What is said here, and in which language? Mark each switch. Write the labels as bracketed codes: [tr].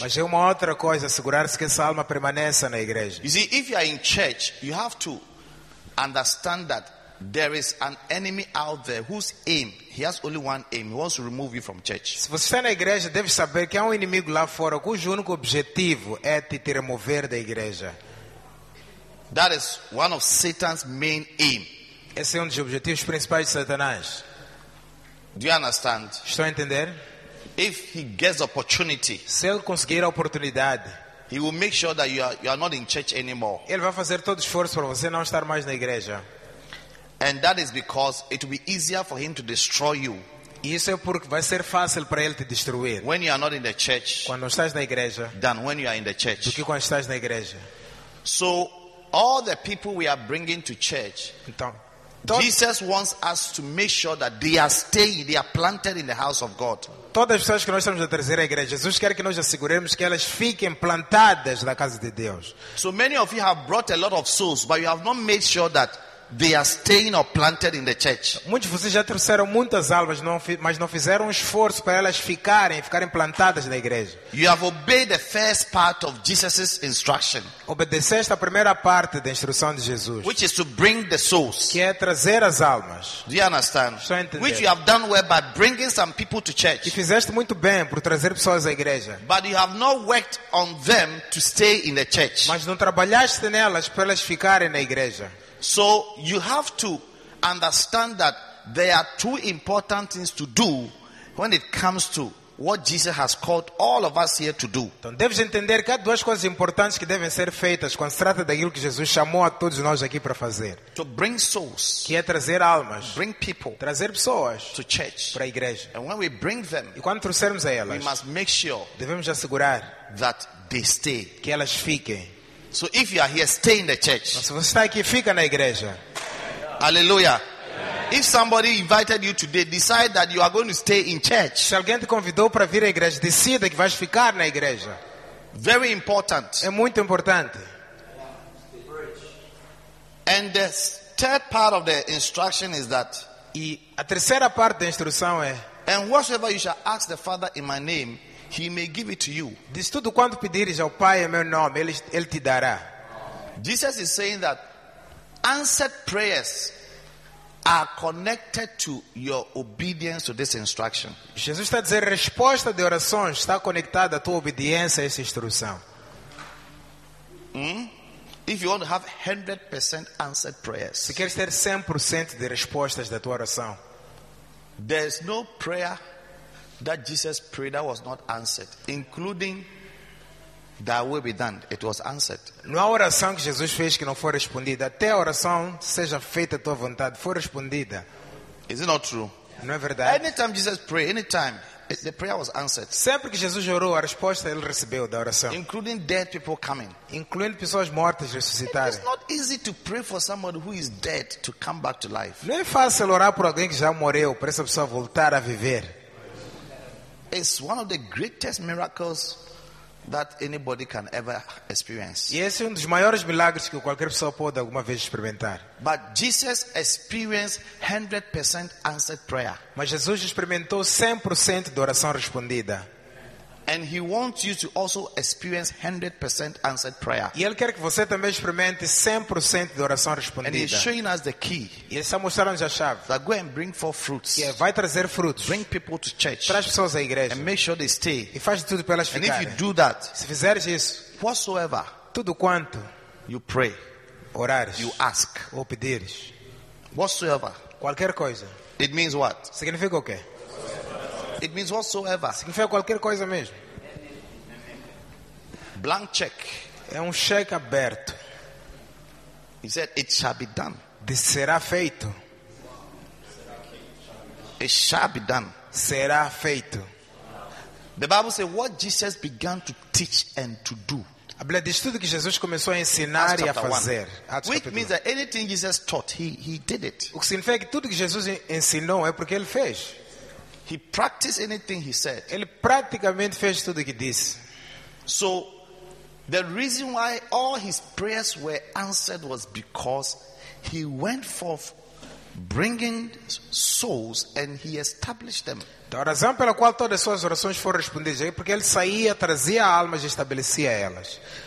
[pt] Mas é uma outra coisa assegurar-se que essa alma permaneça na igreja. [en] You see, if you are in church, you have to understand that there is an enemy out there whose aim, he has only one aim, he wants to remove you from church. [pt] Se você está na igreja, deve saber que há inimigo lá fora cujo único objetivo é te remover da igreja. [en] That is one of Satan's main aim. [pt] Esse é dos objetivos principais de Satanás. [en] Do you understand? [pt] Estão a entender? [en] If he gets opportunity, [pt] se ele conseguir a oportunidade, [en] he will make sure that you are not in church anymore. [pt] Ele vai fazer todo o esforço para você não estar mais na igreja. [en] And that is because it will be easier for him to destroy you. [pt] Isso é porque vai ser fácil para ele te destruir. [en] When you are not in the church, [pt] quando estás na igreja, [en] than when you are in the church. [pt] Do que quando estás na igreja. [en] So all the people we are bringing to church, [pt] então, [en] Jesus wants us to make sure that they are staying, they are planted in the house of God. [pt] Todas as pessoas que nós estamos a trazer à igreja, Jesus quer que nós asseguremos que elas fiquem plantadas na casa de Deus. [en] So many of you have brought a lot of souls, but you have not made sure that they are staying or planted in the church. [pt] Muitos de vocês já trouxeram muitas almas, mas não fizeram um esforço para elas ficarem plantadas na igreja. [en] You have obeyed the first part of Jesus' instruction. [pt] Obedeceste a primeira parte da instrução de Jesus. [en] Which is to bring the souls. [pt] Que é trazer as almas. [en] Do you understand? [pt] Estou a entender. [en] Which you have done well by bringing some people to church. [pt] E fizeste muito bem por trazer pessoas à igreja. [en] But you have not worked on them to stay in the church. [pt] Mas não trabalhaste nelas para elas ficarem na igreja. [en] So you have to understand that there are two important things to do when it comes to what Jesus has called all of us here to do. [pt] Então deves entender que há duas coisas importantes que devem ser feitas quando se trata daquilo que Jesus chamou a todos nós aqui para fazer. [en] To bring souls. [pt] Que é trazer almas. [en] Bring people. [pt] Trazer pessoas. [en] To church. [pt] Para a igreja. [en] And when we bring them, [pt] e quando trouxermos a elas, [en] we must make sure, [pt] devemos assegurar [en] that they stay. [pt] Que elas fiquem. [en] So if you are here, stay in the church. [pt] Se você está aqui, fica na igreja. [en] Hallelujah. If somebody invited you today, decide that you are going to stay in church. [pt] Se alguém te convidou para vir à igreja, decida que vais ficar na igreja. [en] Very important. [pt] É muito importante. [en] And the third part of the instruction is that. [pt] E a terceira parte da instrução é. [en] And whatsoever you shall ask the Father in my name, he may give it to you. [pt] Diz tudo quanto pedires ao Pai em meu nome, ele te dará. [en] Jesus is saying that answered prayers are connected to your obedience to this instruction. [pt] Jesus está dizendo resposta de orações está conectada à tua obediência a essa instrução. [en] If you want to have 100% answered prayers. [pt] Se queres ter 100% de respostas da tua oração. [en] There's no prayer that Jesus prayed that was not answered, including that will be done. It was answered. [pt] Não há oração que Jesus fez que não foi respondida. Até a oração seja feita à tua vontade foi respondida. [en] Is it not true? [pt] Não é verdade? [en] Anytime Jesus prayed, anytime the prayer was answered. [pt] Sempre que Jesus orou, a resposta ele recebeu da oração. [en] Including dead people coming. [pt] Incluindo pessoas mortas ressuscitarem. [en] It is not easy to pray for someone who is dead to come back to life. [pt] Não é fácil orar por alguém que já morreu para essa pessoa voltar a viver. [en] It's one of the greatest miracles that anybody can ever experience. [pt] E esse é dos maiores milagres que qualquer pessoa pode alguma vez experimentar. [en] But Jesus experienced 100% answered prayer. [pt] Mas Jesus experimentou 100% de oração respondida. [en] And he wants you to also experience 100% answered prayer. [pt] E ele quer que você também experimente 100% de oração respondida. [en] And he's showing us the key. [pt] E ele está mostrando-nos a chave. [en] That go and bring forth fruits. [pt] Que vai trazer frutos. [en] Bring people to church. [pt] Traz pessoas à igreja. [en] And make sure they stay. [pt] E faz tudo para elas ficarem. [en] And if you do that, [pt] se fizeres isso, [en] whatsoever, [pt] tudo quanto, [en] you pray, [pt] orares, [en] you ask, [pt] ou pedires, [en] whatsoever, [pt] qualquer coisa, [en] it means what? [pt] Significa o quê? [en] It means whatsoever. [pt] Significa qualquer coisa mesmo. [en] Blank check. [pt] É cheque aberto. [en] He said, it shall be done. [pt] De será feito. [en] It shall be done. [pt] Será feito. [en] The Bible says, what Jesus began to teach and to do. [pt] A Bíblia diz tudo que Jesus começou a ensinar e a fazer. [en] Which means that anything Jesus taught, he did it. [pt] O que significa que tudo que Jesus ensinou é porque ele fez. [en] He practiced anything he said. [pt] Ele praticamente fez tudo o que disse. [en] So, the reason why all his prayers were answered was because he went forth bringing souls and he established them. [pt] Então, a razão pela qual todas as suas orações foram respondidas é porque ele saía, trazia almas e estabelecia elas.